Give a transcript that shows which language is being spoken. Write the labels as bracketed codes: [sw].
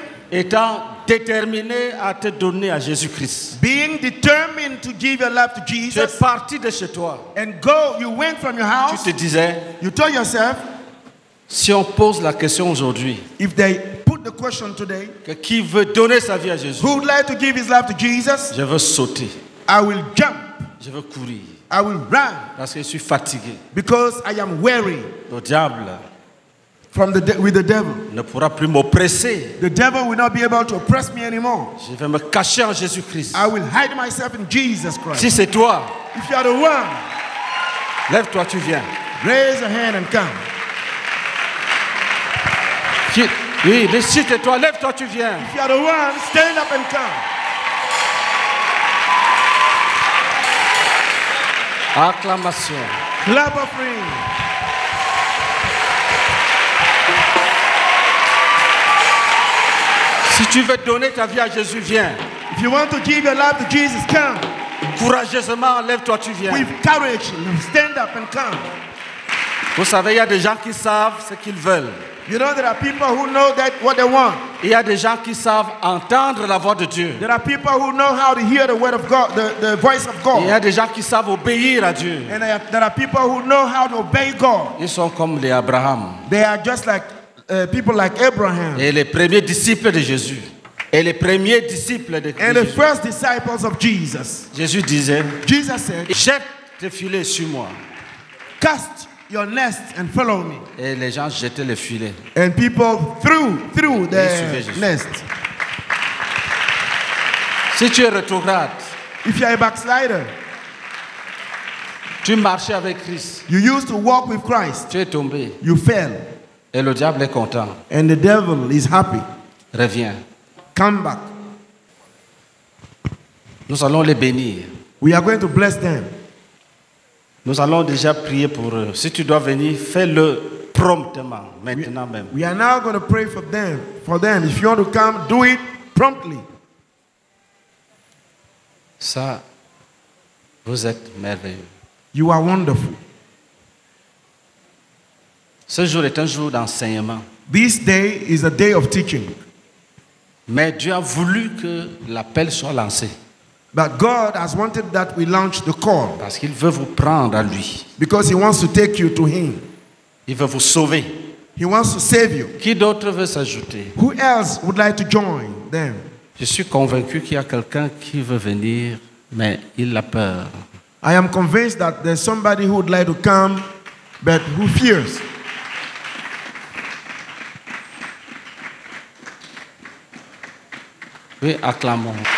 [fr] étant déterminé à te donner à Jésus-Christ, [en] being determined to give your life to Jesus, [fr] tu es parti de chez toi, [en] and go, you went from your house, [fr] tu te disais, [en] you told yourself, [fr] si on pose la question aujourd'hui, [en] if they put the question today, [fr] que qui veut donner sa vie à Jésus, [en] who would like to give his life to Jesus, [fr] je veux sauter, [en] I will jump, [fr] je veux courir, [en] I will run, [fr] parce que je suis fatigué, [en] because I am weary, [fr] le diable. [en] From the with the devil, [fr] ne pourra plus m'oppresser. [en] The devil will not be able to oppress me anymore. [fr] Je vais me cacher en Jésus Christ. [en] I will hide myself in Jesus Christ. [fr] Si c'est toi, [en] if you are the one, [fr] lève-toi, tu viens. [en] Raise your hand and come. [fr] Si, oui, mais si c'est toi, lève-toi, tu viens. [en] If you are the one, stand up and come. [fr] Acclamation. [en] Clap of praise. [fr] Si tu veux donner ta vie à Jésus, viens. [en] If you want to give your life to Jesus, come. [fr] Courageusement, lève-toi, tu viens. [en] With courage, stand up and come. [fr] Vous savez, il y a des gens qui savent ce qu'ils veulent. [en] You know there are people who know that what they want. [fr] Il y a des gens qui savent entendre la voix de Dieu. [en] There are people who know how to hear the word of God, the voice of God. [fr] Il y a des gens qui savent obéir à Dieu. [en] And there are people who know how to obey God. [fr] Ils sont comme les Abraham. [en] They are just like people like Abraham. [fr] Et les premiers disciples de Jésus. Et les premiers disciples de Jésus. [en] And the first disciples of Jesus. [fr] Jésus disait, [en] Jesus said, [fr] jette tes filets sur moi. [en] Cast your nest and follow me. [fr] Et les gens jetaient les filets. [en] And people threw their nest. [fr] Si tu es rétrograde, [en] if you are a backslider, [fr] tu marchais avec Christ. [en] You used to walk with Christ. [fr] Tu es tombé. [en] You fell. [fr] Et le diable est content. [en] And the devil is happy. [fr] Reviens. [en] Come back. [fr] Nous allons les bénir. [en] We are going to bless them. [fr] Nous allons déjà prier pour eux. Si tu dois venir, fais-le promptement, maintenant même. [en] We are now going to pray for them. For them, if you want to come, do it promptly. [fr] Ça, vous êtes merveilleux. [en] You are wonderful. [fr] Ce jour est un jour d'enseignement. [en] This day is a day of teaching. [fr] Mais Dieu a voulu que l'appel soit lancé. [en] But God has wanted that we launch the call. [fr] Parce qu'il veut vous prendre à lui. [en] Because he wants to take you to him. [fr] Il veut vous sauver. [en] He wants to save you. [fr] Qui d'autre veut s'ajouter? [en] Who else would like to join them? [fr] Je suis convaincu qu'il y a quelqu'un qui veut venir, mais il a peur. [en] I am convinced that there's somebody who would like to come, but who fears. [fr] Oui, acclamons.